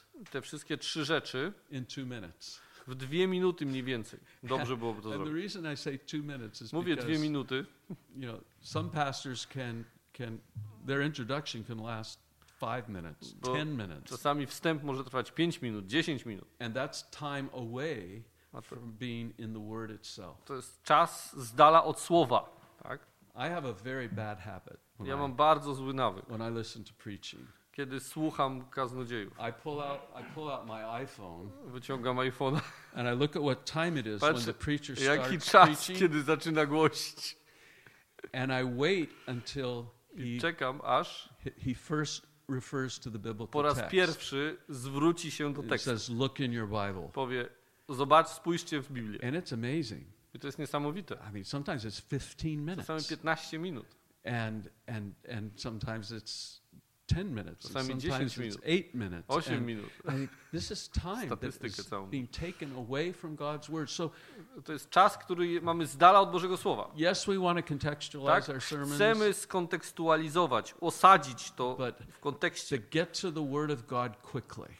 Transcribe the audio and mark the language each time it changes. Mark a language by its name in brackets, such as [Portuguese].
[Polish] Te wszystkie trzy rzeczy w dwie minuty mniej więcej. Dobrze byłoby to zrobić. Mówię dwie minuty. [English] Some pastors can their introduction can last 5 minutes, 10 minutes. [Polish] Czasami wstęp może trwać 5 minut, 10 minut. [English] And that's time away from being in the word itself. [Polish] To jest czas z dala od słowa, tak? [English] I have a very bad habit. [Polish] Ja mam bardzo zły nawyk. [English] When I listen to preaching. [Polish] Kiedy słucham kaznodziejów. [English] I pull out my iPhone. [Polish] Wyciągam iPhone. [English] And I look at what time it is. [Polish] Patrz, [English] when the preacher starts [Polish] jaki czas, [English] preaching. [Polish] Kiedy zaczyna głosić. [English] And I wait until he, [Polish] czekam aż [English] he first refers to the biblical text. [Polish] Po raz pierwszy zwróci się do tekstu. [English] Says, look in your Bible. [Polish] Powie, zobacz, spójrzcie w Biblię. [English] And it's amazing. [Polish] I to jest niesamowite. [English] I mean, sometimes it's 15 minutes. [Polish] Czasami 15 minut. [English] And sometimes it's 10 minutes. [Polish] Czasami 10 [English] sometimes [Polish] minut. [English] It's 8 minutes. [Polish] 8 minut. [English] This is time that is being taken away from God's word. So [Polish] to jest czas, który mamy z dala od Bożego słowa. [English] Yes, we want to contextualize our sermons. [Polish] Chcemy skontekstualizować, osadzić to w kontekście. [English] To get to the word of God quickly.